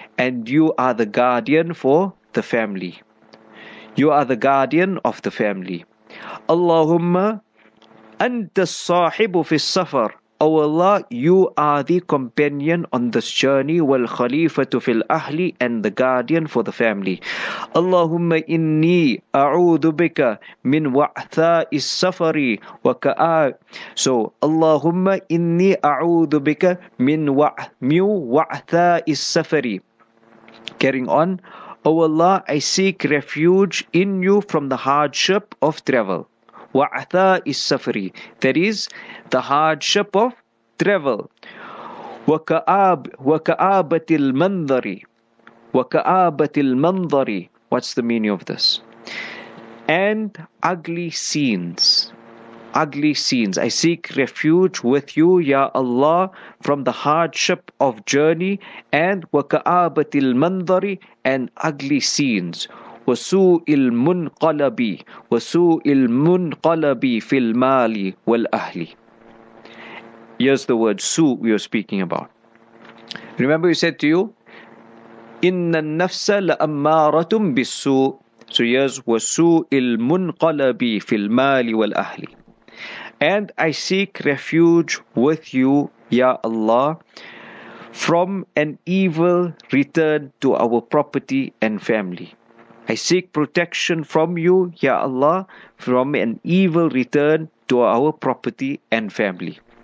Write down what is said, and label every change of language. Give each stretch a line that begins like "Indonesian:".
English: And you are the guardian for the family. You are the guardian of the family. Allahumma
Arabic: أنت الصاحب في السفر.
English: Oh Allah, you are the companion on this journey,
Arabic: والخليفة في الأهل,
English: and the guardian for the family.
Arabic: اللهم إني أعوذ بك من وعثاء السفر وكآب.
English: So
Arabic: اللهم إني أعوذ بك من وعثاء السفر.
English: Carrying on. Oh Allah, I seek refuge in you from the hardship of travel.
Arabic: وَعْثَى السَّفَرِ,
English: that is, the hardship of travel.
Arabic: وَكَآبَةِ الْمَنْظَرِ, وَكَآبَةِ الْمَنْظَرِ,
English: what's the meaning of this? And ugly scenes, ugly scenes. I seek refuge with you, Ya Allah, from the hardship of journey, and
Arabic: وَكَآبَةِ الْمَنْظَرِ,
English: and ugly scenes.
Arabic: وَسُوءِ الْمُنْقَلَبِ, وَسُوءِ الْمُنْقَلَبِ فِي الْمَالِ وَالْأَهْلِ.
English: Here's the word su we are speaking about. Remember we said to you,
Arabic: إِنَّ النَّفْسَ لَأَمَّارَةٌ بِالسُّوءِ.
English: So here's
Arabic: وَسُوءِ الْمُنْقَلَبِ فِي الْمَالِ وَالْأَهْلِ.
English: And I seek refuge with you, Ya Allah, from an evil return to our property and family. I seek protection from you, Ya Allah, from an evil return to our property and family.